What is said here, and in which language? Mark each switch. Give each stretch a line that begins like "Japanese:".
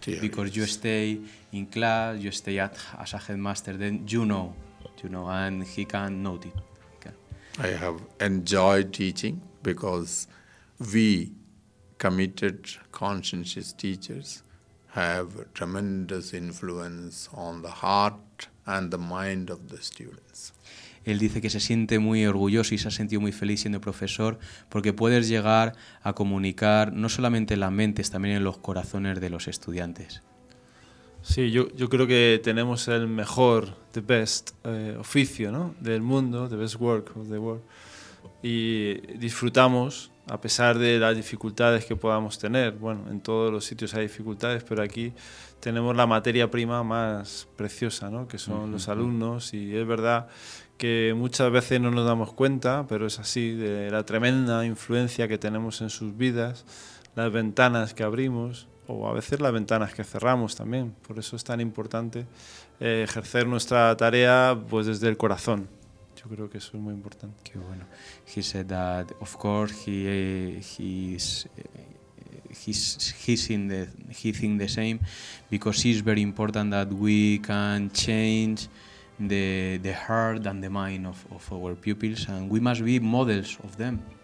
English: Because you stay in class, you stay as a headmaster, then you know, and he can note it. I have enjoyed teaching because we committed conscientious teachers have a tremendous influence on the heart and the mind of the students.
Spanish: Él dice que se siente muy orgulloso y se ha sentido muy feliz siendo profesor porque puedes llegar a comunicar no solamente en las mentes, también en los corazones de los estudiantes. Sí, yo creo que tenemos el mejor,
English: the best
Spanish: oficio, ¿no? Del mundo,
English: the best work of the world.
Spanish: Y disfrutamos, a pesar de las dificultades que podamos tener. Bueno, en todos los sitios hay dificultades, pero aquí tenemos la materia prima más preciosa, ¿no? Que son los alumnos. Y es verdad que muchas veces no nos damos cuenta, pero es así, de la tremenda influencia que tenemos en sus vidas, las ventanas que abrimos, o a veces las ventanas que cerramos también. Por eso es tan importante ejercer nuestra tarea pues desde el corazón. Yo creo que eso es muy importante. Qué bueno.
English: He said that of course he thinks the same because it's very important that we can change the heart and the mind of our pupils and we must be models of them.